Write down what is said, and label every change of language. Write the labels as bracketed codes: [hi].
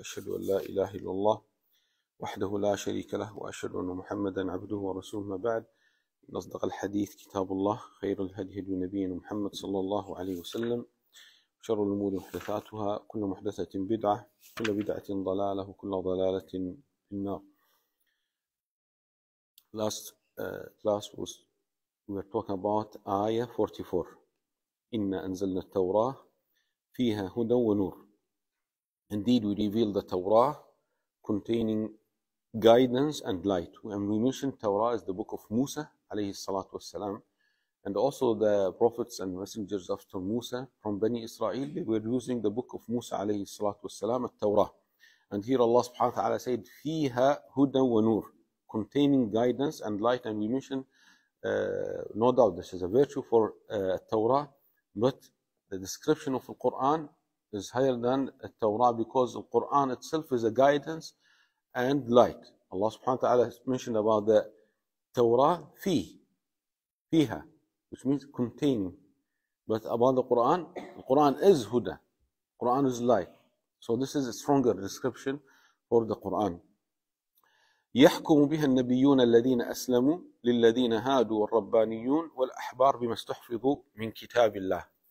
[ar] أشهد أن لا إله إلا الله وحده لا شريك له وأشهد أن محمدا عبده ورسوله. ما بعد، نصدق الحديث كتاب الله، خير الهدي هدي نبينا محمد صلى الله عليه وسلم، شر الأمور محدثاتها، كل محدثة بدعة، كل بدعة ضلالة، وكل ضلالة في النار. [en] Last class was we were talking about Ayah 44. [ar] إنا أنزلنا التوراة فيها هدى ونور. [en] Indeed we revealed the Torah containing guidance and light. And we mentioned Torah is the book of Musa [ar] عليه الصلاة والسلام. [en] And also the prophets and messengers after Musa from Bani Israel, they were using the book of Musa [ar] عليه الصلاة والسلام, [en] the Torah. And here Allah subhanahu wa ta'ala said, [ar] فِيهَا هُدًى وَنُورٍ, [en] containing guidance and light. And we mentioned, no doubt this is a virtue for Torah, but the description of the Quran is higher than the Torah because the Quran itself is a guidance and light. Allah subhanahu wa ta'ala mentioned about the Torah, فِيهَا, which means containing. But about the Quran is Huda. Quran is light. So this is a stronger description for the Quran. [ar] يحكم بها النبيون الذين أسلموا للذين هادوا والربانيون والأحبار بما استحفظوا من كتاب الله.